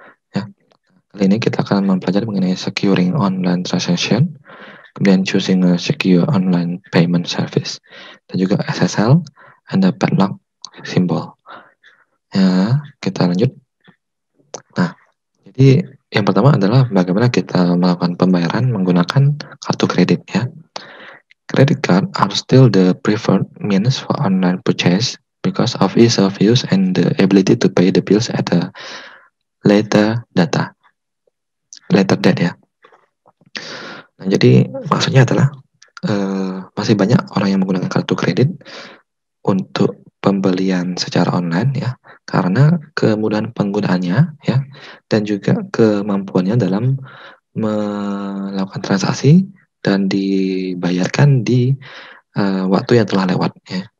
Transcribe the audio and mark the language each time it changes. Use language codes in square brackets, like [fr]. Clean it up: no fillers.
[id] Ya, kali ini kita akan mempelajari mengenai [en] securing online transaction, [id] kemudian [en] choosing a secure online payment service, [id] dan juga [en] SSL and the padlock symbol. [id] Ya, kita lanjut. Nah, jadi yang pertama adalah bagaimana kita melakukan pembayaran menggunakan kartu kredit ya. [en] Credit card are still the preferred means for online purchase because of ease of use and the ability to pay the bills at a later date ya. [id] Nah, jadi maksudnya adalah masih banyak orang yang menggunakan kartu kredit untuk pembelian secara online ya, karena kemudahan penggunaannya ya dan juga kemampuannya dalam melakukan transaksi dan dibayarkan di waktu yang telah lewat ya.